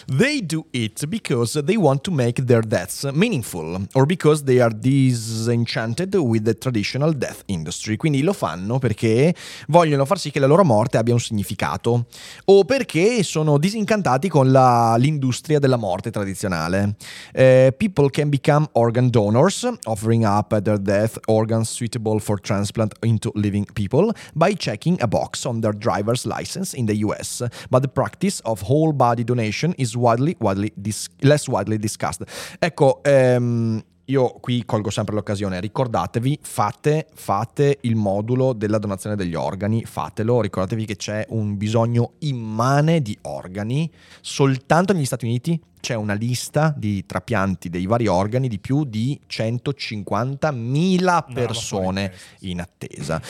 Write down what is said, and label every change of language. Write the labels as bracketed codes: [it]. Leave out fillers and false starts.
[en] They do it because they want to make their deaths meaningful or because they are disenchanted with the traditional death industry. [it] Quindi lo fanno perché vogliono far sì che la loro morte abbia un significato o perché sono disincantati con l'industria della morte tradizionale. [en] People can become organ donors, offering up their death organs suitable for transplant into living people by checking a box on their driver's license in the US. But the practice of whole body donation is widely discussed. Ecco, [it] io qui colgo sempre l'occasione, ricordatevi, fate il modulo della donazione degli organi, fatelo, ricordatevi che c'è un bisogno immane di organi, soltanto negli Stati Uniti c'è una lista di trapianti dei vari organi di più di 150.000 persone in attesa.